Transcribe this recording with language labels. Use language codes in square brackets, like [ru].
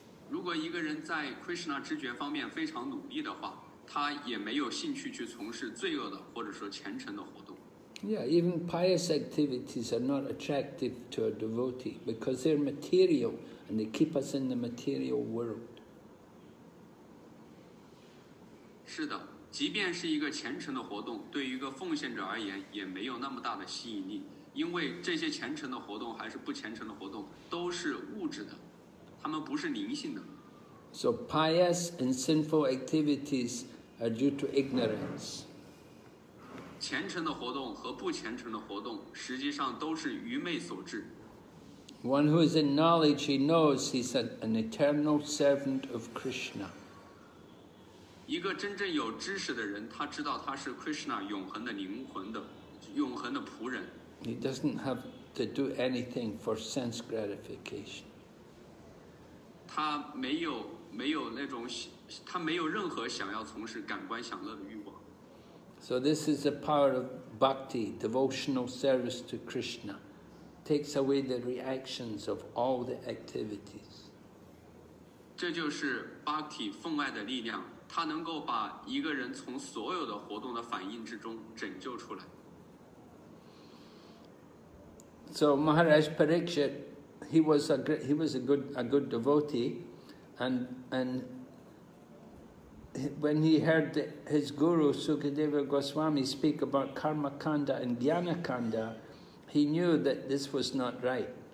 [zh] 如果一个人在 Krishna 知觉方面非常努力的话，他也没有兴趣去从事罪恶的或者说虔诚的活动。 [en] Yeah, even pious activities are not attractive to a devotee because they're material and they keep us in the material world. [zh] 是的，即便是一个虔诚的活动，对于一个奉献者而言也没有那么大的吸引力，因为这些虔诚的活动还是不虔诚的活动都是物质的，它们不是灵性的。 [en] So pious and sinful activities are due to ignorance. [zh] 虔诚的活动和不虔诚的活动实际上都是愚昧所致。 [en] One who is in knowledge, he knows he's an eternal servant of Krishna. [zh] 一个真正有知识的人，他知道他是 Krishna 永恒的灵魂的永恒的仆人。 [en] He doesn't have to do anything for sense gratification. [zh] 他没有任何想要从事感官享乐的欲望。 [en] So this is the power of bhakti, devotional service to Krishna. Takes away the reactions of all the activities. [zh] 这就是 bhakti, 奉爱的力量，它能够把一个人从所有的活动的反应之中拯救出来。 [en] So Maharaj Parikshit, he was a good devotee, and when he heard his guru Sukadeva Goswami speak about karma kanda and jnana kanda, he knew that this was not right.